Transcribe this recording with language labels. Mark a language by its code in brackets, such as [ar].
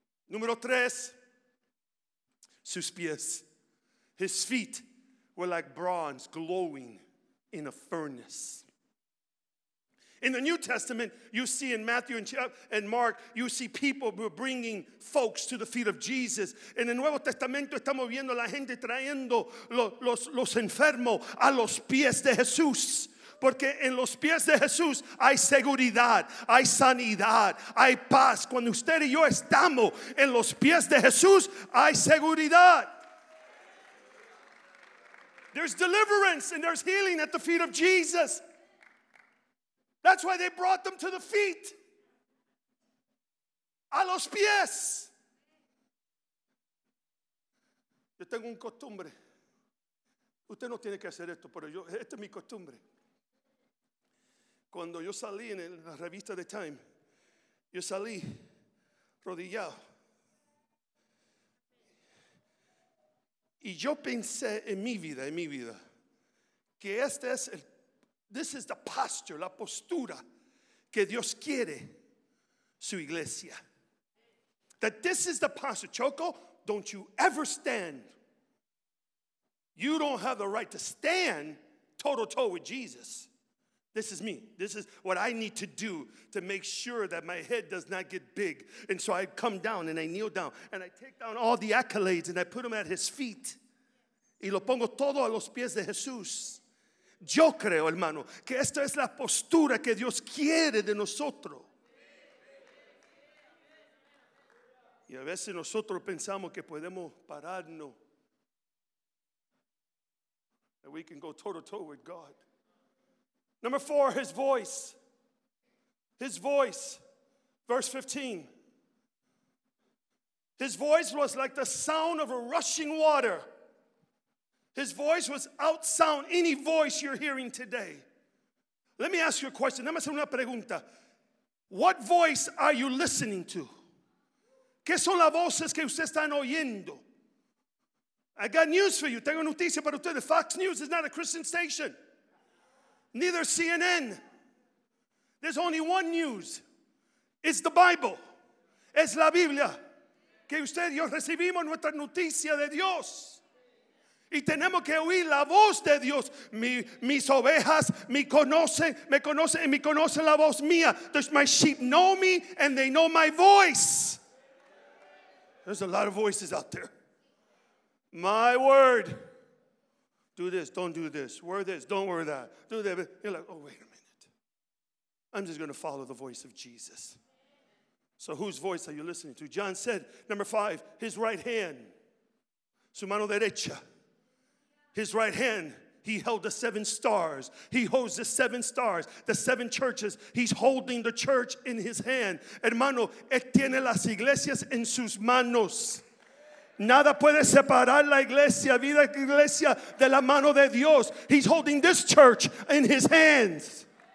[es] Número tres, sus pies. [en] His feet were like bronze glowing in a furnace. In the New Testament, you see in Matthew and Mark, you see people who are bringing folks to the feet of Jesus. [es] En el Nuevo Testamento estamos viendo la gente trayendo los enfermos a los pies de Jesús. Porque en los pies de Jesús hay seguridad, hay sanidad, hay paz. Cuando usted y yo estamos en los pies de Jesús, hay seguridad. [en] There's deliverance and there's healing at the feet of Jesus. That's why they brought them to the feet. [es] A los pies. Yo tengo un costumbre. Usted no tiene que hacer esto, pero yo, esta es mi costumbre. Cuando yo salí en la revista de Time, yo salí rodillado. Y yo pensé en mi vida, que este es el [en] This is the posture, [es] la postura que Dios quiere su iglesia. [en] That this is the posture. [es] Choco, [en] don't you ever stand. You don't have the right to stand toe-to-toe with Jesus. This is me. This is what I need to do to make sure that my head does not get big. And so I come down and I kneel down and I take down all the accolades and I put them at his feet. [es] Y lo pongo todo a los pies de Jesús. Yo creo, hermano, que esta es la postura que Dios quiere de nosotros. Y a veces nosotros pensamos que podemos pararnos. [en] That we can go toe-to-toe with God. Number four, his voice. His voice. Verse 15. His voice was like the sound of a rushing water. His voice was outsound any voice you're hearing today. Let me ask you a question. [es] Déjame hacer una pregunta. [en] What voice are you listening to? [es] ¿Qué son las voces que ustedes están oyendo? [en] I got news for you. [es] Tengo noticia para ustedes. [en] Fox News is not a Christian station. Neither CNN. There's only one news. It's the Bible. [es] Es la Biblia. Que usted y yo recibimos nuestra noticia de Dios. Y tenemos que oír la voz de Dios. Mis ovejas me conocen la voz mía. [en] Does my sheep know me and they know my voice. There's a lot of voices out there. My word. Do this, don't do this. Wear this, don't wear that. Do that. You're like, oh, wait a minute. I'm just going to follow the voice of Jesus. So whose voice are you listening to? John said, number five, his right hand. [es] Su mano derecha. [en] His right hand. He held the seven stars. He holds the seven stars, the seven churches. He's holding the church in his hand. [es] Hermano, él tiene las iglesias en sus manos. Nada puede separar la iglesia, vida iglesia, de la mano de Dios. [en] He's holding this church in his hands.